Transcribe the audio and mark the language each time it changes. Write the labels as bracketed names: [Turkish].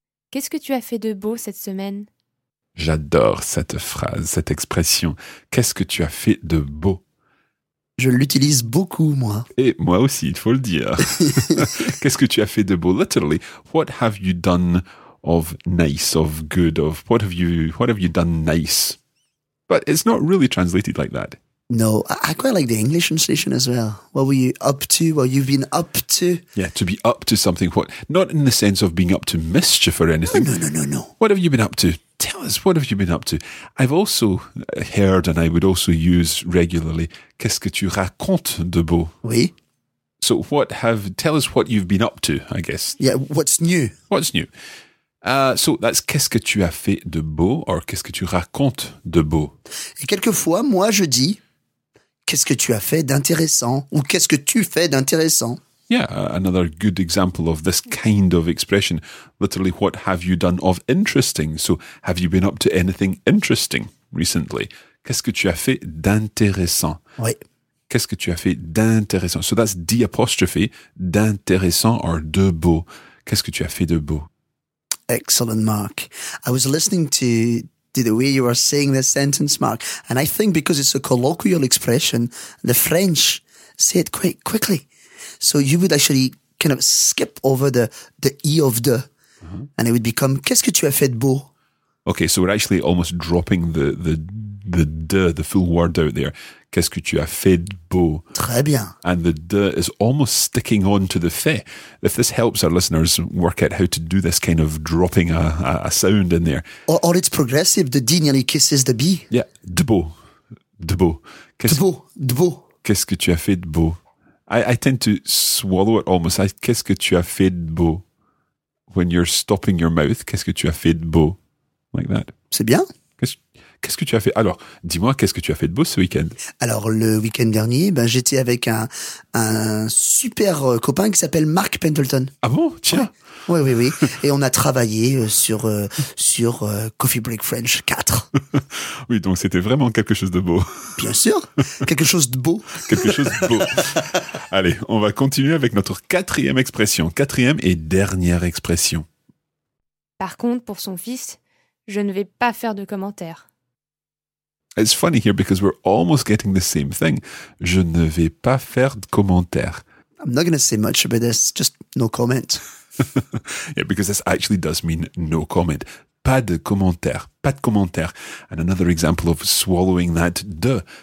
[French] Qu'est-ce que tu as fait de beau cette semaine? J'adore cette phrase, cette expression. Qu'est-ce que tu as fait de beau? Je l'utilise beaucoup, moi. Et moi aussi, il faut le dire. Qu'est-ce que tu as fait de beau? [English] Literally, what have you done of nice, of good, of what have you done nice? But it's not really translated like that. No, I quite like the English translation as well. What were you up to? What you've been up to? Yeah, to be up to something. What? Not in the sense of being up to mischief or anything. No. What have you been up to? Tell us, what have you been up to? I've also heard, and I would also use regularly, [French] qu'est-ce que tu racontes de beau? Oui. [English] So what have, tell us what you've been up to, I guess. Yeah, what's new? What's new? So that's [French] qu'est-ce que tu as fait de beau [English] or [French] qu'est-ce que tu racontes de beau? Et quelquefois, moi, je dis qu'est-ce que tu as fait d'intéressant ou qu'est-ce que tu fais d'intéressant? [English] Yeah, another good example of this kind of expression. Literally, what have you done of interesting? So, have you been up to anything interesting recently? [French] Qu'est-ce que tu as fait d'intéressant? Oui. Qu'est-ce que tu as fait d'intéressant? So, that's d' apostrophe, d'intéressant or de beau. Qu'est-ce que tu as fait de beau? [English] Excellent, Mark. I was listening to the way you are saying this sentence, Mark, and I think because it's a colloquial expression, the French say it quite quickly. So you would actually kind of skip over the E of the, and it would become, qu'est-ce que tu as fait de beau? Okay, so we're actually almost dropping the full word out there. [French] Qu'est-ce que tu as fait de beau? Très bien. [English] And the de is almost sticking on to the fait. If this helps our listeners work out how to do this kind of dropping a sound in there. Or it's progressive, the D nearly kisses the B. [French] Yeah, de beau, de beau. Qu'est-ce, de beau, de beau. Qu'est-ce que tu as fait de beau? [English] I tend to swallow it almost. [French] Qu'est-ce que tu as fait de beau? [English] When you're stopping your mouth, [French] qu'est-ce que tu as fait de beau? Like that. C'est bien. Qu'est-ce que tu as fait? Alors, dis-moi, qu'est-ce que tu as fait de beau ce week-end? Alors, le week-end dernier, ben, j'étais avec un super copain qui s'appelle Mark Pendleton. Ah bon? Tiens. Ouais. Oui. Et on a travaillé sur Coffee Break French 4. Oui, donc c'était vraiment quelque chose de beau. Bien sûr. Quelque chose de beau. Quelque chose de beau. Allez, on va continuer avec notre quatrième expression. Quatrième et dernière expression. Par contre, pour son fils, je ne vais pas faire de commentaires. [English] It's funny here because we're almost getting the same thing. [French] Je ne vais pas faire de commentaires. [English] I'm not going to say much about this, just no comment. Yeah, because this actually does mean no comment. [French] Pas de commentaires, pas de commentaires. [English] And another example of swallowing that de.